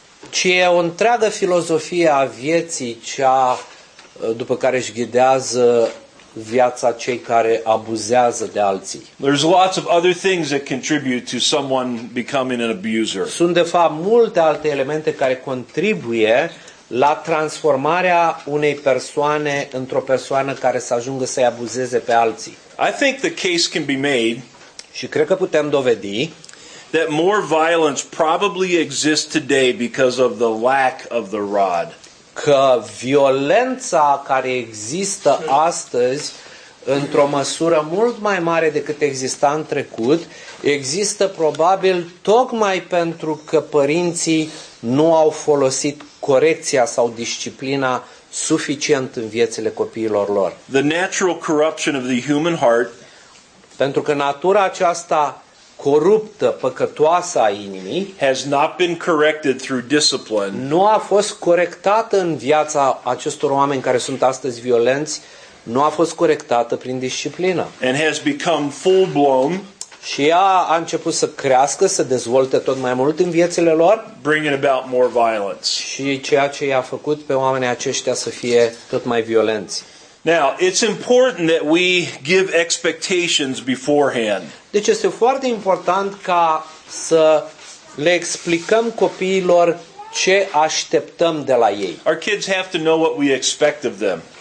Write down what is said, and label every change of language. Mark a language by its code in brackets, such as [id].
[ro] Ci e o întreagă filozofie a vieții cea după care își ghidează viața cei care abuzează de alții. [en] There's lots of other things that contribute to someone becoming an abuser. [ro] Sunt de fapt multe alte elemente care contribuie la transformarea unei persoane într-o persoană care să ajungă să-i abuzeze pe alții. [en] I think the case can be made, [ro] și cred că putem dovedi, [en] that more violence probably exists today because of the lack of the rod. [ro] Că violența care există astăzi într-o măsură mult mai mare decât exista în trecut, există probabil tocmai pentru că părinții nu au folosit corecția sau disciplina suficient în viețile copiilor lor. [en] The natural corruption of the human heart, [ro] pentru că natura aceasta coruptă, păcătoasă a inimii, [en] has not been corrected through discipline. [ro] Nu a fost corectată în viața acestor oameni care sunt astăzi violenți, nu a fost corectată prin disciplină. [en] And has become full blown. [ro] Și ea a început să crească, să dezvolte tot mai mult în viețile lor. [en] Bringing about more violence. [ro] Și ceea ce i-a făcut pe oamenii aceștia să fie tot mai violenți. [en] Now, it's important that we give expectations beforehand. [ro] Deci este foarte important ca să le explicăm copiilor ce așteptăm de la ei. [en] Our kids have to know what we expect of them.